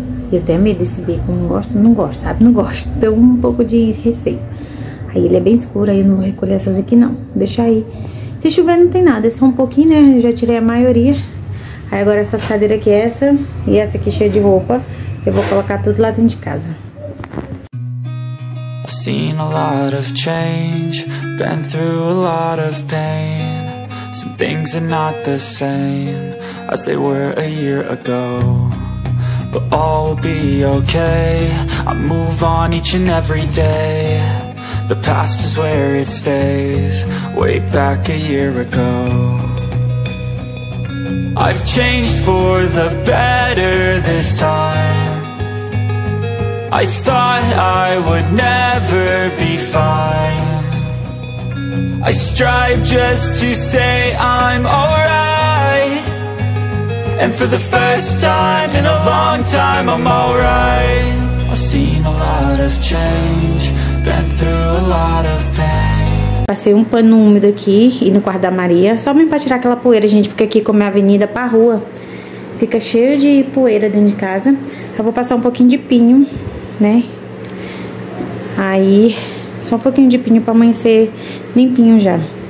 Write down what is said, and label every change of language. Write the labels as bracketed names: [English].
[Portuguese] Eu tenho medo desse beco, não gosto, sabe? Não gosto, tenho um pouco de receio. Aí ele é bem escuro, aí eu não vou recolher essas aqui não, deixa aí. Se chover não tem nada, é só um pouquinho, né? Já tirei a maioria. Aí agora essas cadeiras aqui, essa e essa aqui cheia de roupa, eu vou colocar tudo lá dentro de casa. [English] I've seen a lot of change, been through a lot of pain. Some things are not the same as they were a year ago. But all will be okay, I move on each and every day. The past is where it stays, way back a year ago. I've changed for the better this time. I thought I would never be fine. I strive just to say I'm alright. And for the first time in a long time I'm alright. I've seen a lot of change, been through a lot of pain. [Portuguese] Passei um pano úmido aqui e no quarto da Maria, só mesmo pra tirar aquela poeira, gente, porque aqui como é avenida pra rua, fica cheio de poeira dentro de casa. Eu vou passar um pouquinho de pinho, né? Aí, só um pouquinho de pinho pra amanhecer limpinho já.